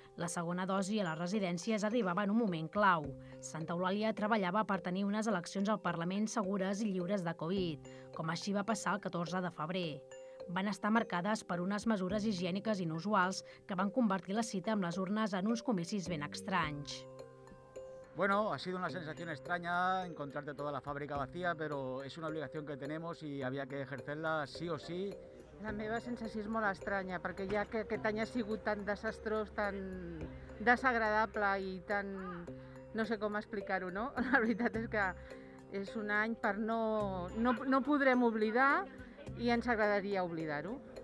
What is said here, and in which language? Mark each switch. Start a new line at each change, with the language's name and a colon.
Catalan: La segona dosi a les residències arribava en un moment clau. Santa Eulàlia treballava per tenir unes eleccions al Parlament segures i lliures de Covid, com així va passar el 14 de febrer. Van estar marcades per unes mesures higièniques inusuals que van convertir la cita amb les urnes en uns comicis ben estranys.
Spanish: Bueno, ha sido una sensación extraña encontrarte toda la fábrica vacía, pero es una obligación que tenemos y había que ejercerla sí o sí.
Catalan: La meva sensació és molt estranya, perquè ja que aquest any ha sigut tan desastrós, tan desagradable i tan... no sé com explicar-ho, no? La veritat és que és un any per no podrem oblidar i ens agradaria oblidar-ho.